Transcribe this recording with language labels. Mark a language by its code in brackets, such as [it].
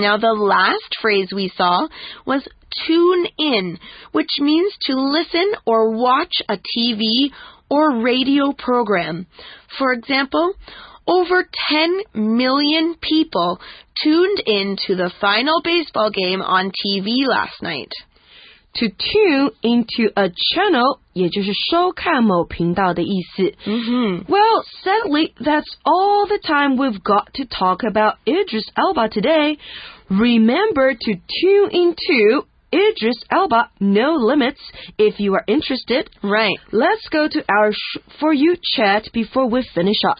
[en] Now, the last phrase we saw was tune in, which means to listen or watch a TV or radio program. For example, over 10 million people tuned in to the final baseball game on TV last night. to tune into a channel, [zh] 也就是收看某频道的意思。 Mm-hmm. [en] Well, sadly, that's all the time we've got to talk about Idris Elba today. Remember to tune into Idris Elba, No Limits, if you are interested. Right. Let's go to our for you chat before we finish up.